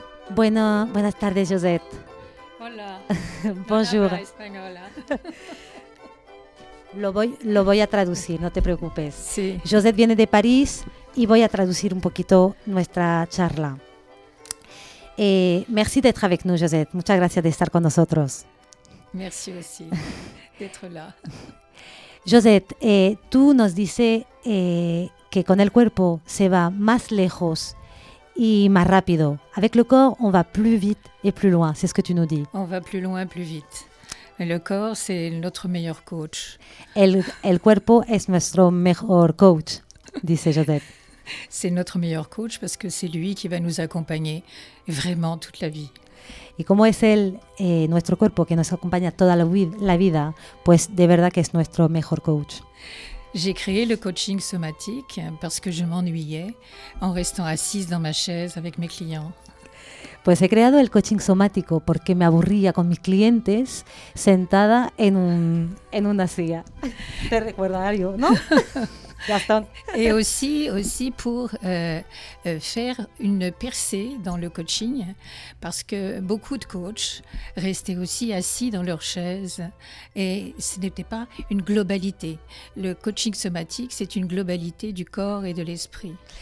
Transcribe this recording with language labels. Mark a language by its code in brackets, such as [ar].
[es] Bueno, buenas tardes, Josette. Hola. [fr] Bonjour. [es] Española. Lo voy a traducir, no te preocupes. Sí. Josette viene de París y voy a traducir un poquito nuestra charla. [fr] Merci d'être avec nous, Josette. [es] Muchas gracias de estar con nosotros. [fr] Merci aussi d'être là. [es] Josette, tú nos dices que con el cuerpo se va más lejos y más rápido. [fr] Avec le corps, on va plus vite et plus loin. C'est ce que tu nous dis. On va plus loin, plus vite. Mais le corps, c'est notre meilleur coach. [es] El cuerpo es nuestro mejor coach, dice Josette. [fr] C'est notre meilleur coach parce que c'est lui qui va nous accompagner vraiment toute la vie. [es] Y como es él, nuestro cuerpo que nos acompaña toda la vida, pues de verdad que es nuestro mejor coach. [fr] J'ai créé le coaching somatique parce que je m'ennuyais en restant assise dans ma chaise avec mes clients. [es] Pues he creado el coaching somático porque me aburría con mis clientes sentada en una silla. Te recuerda algo, ¿no? Gastón. [fr] Et aussi pour faire une percée dans le coaching, parce que beaucoup de coachs restaient aussi assis dans leur chaise et ce n'était pas une globalité. Le coaching somatique, c'est une globalité du corps et de l'esprit.